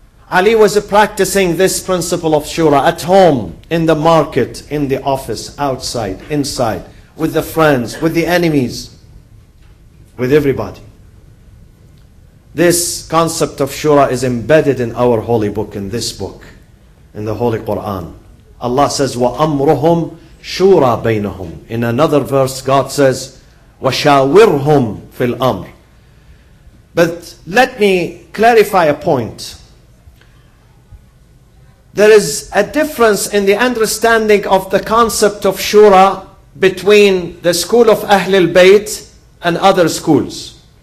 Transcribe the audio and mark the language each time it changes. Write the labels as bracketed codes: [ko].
[en] Ali was practicing this principle of shura at home, in the market, in the office, outside, inside, with the friends, with the enemies, with everybody. This concept of shura is embedded in our holy book, in this book, in the Holy Quran. Allah says, [ar] وَأَمْرُهُمْ شُورَى بَيْنَهُمْ. [en] In another verse, God says, [ar] وَشَاوِرْهُمْ فِي الْأَمْرِ. [en] But let me clarify a point. There is a difference in the understanding of the concept of shura between the school of Ahlul Bayt and other schools.